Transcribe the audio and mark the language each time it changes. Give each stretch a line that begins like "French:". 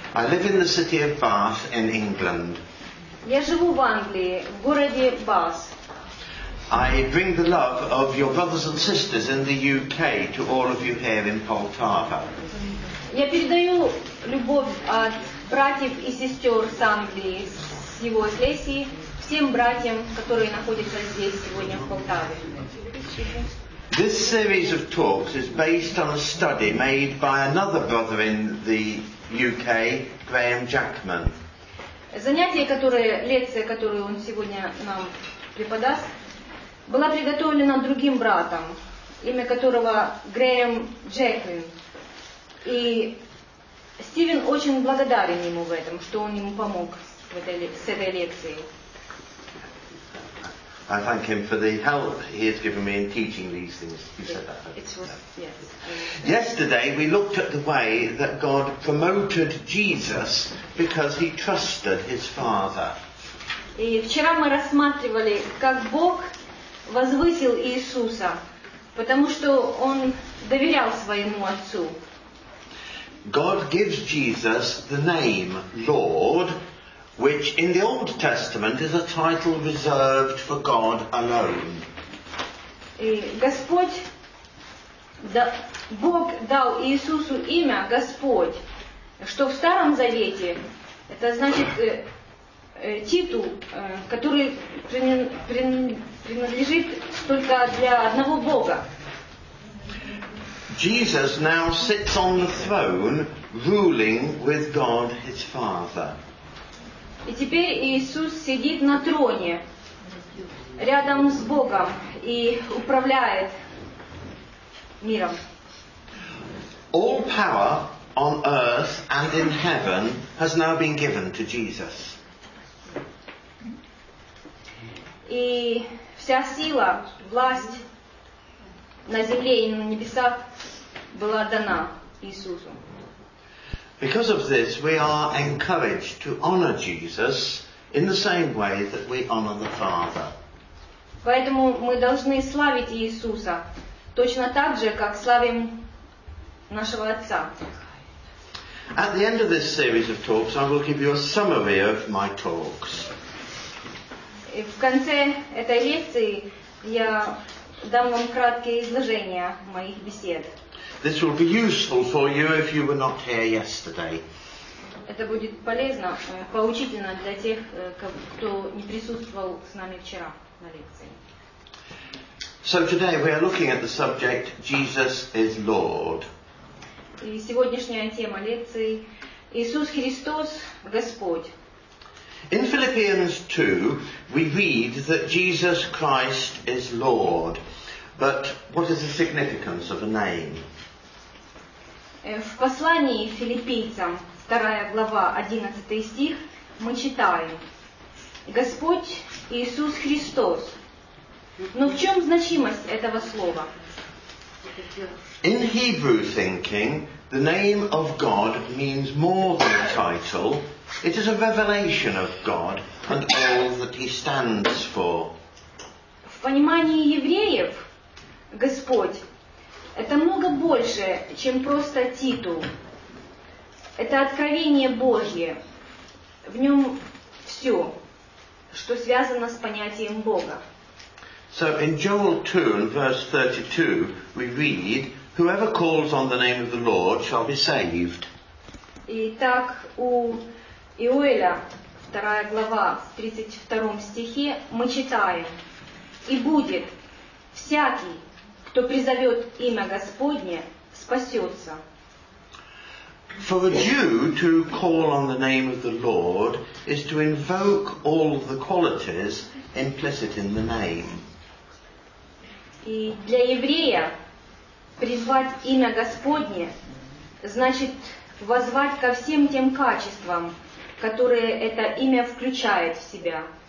English: I live in the city of Bath in England.
Russian: Я живу в Англии, в городе Бас.
English: I bring the love of your brothers and sisters in the UK to all of you here in Poltava.
Russian: Я передаю любовь от братьев и сестер с Англии, с его эклесии, всем братьям, которые находятся здесь сегодня в Полтаве.
English: This series of talks is based on a study made by another brother in the UK, Graham Jackman.
Russian: Лекция, которую он сегодня нам преподаст, была приготовлена другим братом, имя которого Graham Jackman. И Стивен очень благодарен ему в этом, что он ему помог с этой лекцией.
English: I thank him for the help he has given me in teaching these things. You said that. Yesterday we looked at the way that God promoted Jesus because he trusted his Father.
Russian: И вчера мы рассматривали, как Бог возвысил Иисуса, потому что он доверял своему отцу.
English: God gives Jesus the name Lord, which in the Old Testament is a title reserved for God alone.
Russian: И Господь, да, Бог дал Иисусу имя Господь, что в Старом Завете это значит титул, который принадлежит только для одного Бога.
English: Jesus now sits on the throne, ruling with God his Father.
Russian: И теперь Иисус сидит на троне, рядом с Богом, и управляет миром.
English: All power on earth and in heaven has now been given to Jesus.
Russian: И вся сила, власть на земле и на небесах была дана Иисусу.
English: Because of this, we are encouraged to honor Jesus in the same way that we honor the Father.
Russian: Поэтому мы должны славить Иисуса точно так же, как славим нашего Отца.
English: At the end of this series of talks, I will give you a summary of my talks.
Russian: И в конце этой лекции я дам вам краткое изложение моих бесед.
English: This will be useful for you if you were not here yesterday.
Russian: Это будет полезно, поучительно для тех, кто не присутствовал с нами вчера на лекции.
English: So today we are looking at the subject Jesus is Lord.
Russian: И сегодняшняя тема лекции Иисус Христос Господь.
English: In Philippians 2 we read that Jesus Christ is Lord. But what is the significance of a name?
Russian: В послании филиппийцам, 2 глава, 11 стих, мы читаем: Господь Иисус Христос. Но в чем значимость этого слова?
English: In Hebrew thinking, the name of God means more than a title. It is a revelation of God and all that he stands for.
Russian: В понимании евреев Господь — это много больше, чем просто титул. Это откровение Божье. В нем все, что связано с понятием Бога.
English: So in Joel 2, verse 32, we read, whoever calls on the name of the Lord shall be saved.
Russian: Итак, у Иоэля, 2 глава, в 32 стихе, мы читаем: и будет всякий, кто призовет имя Господне, спасется.
English: For a Jew to call on the name of the Lord is to invoke all the qualities implicit in the name.
Russian: И для еврея призвать имя Господне значит воззвать ко всем тем качествам, которые это имя включает в себя.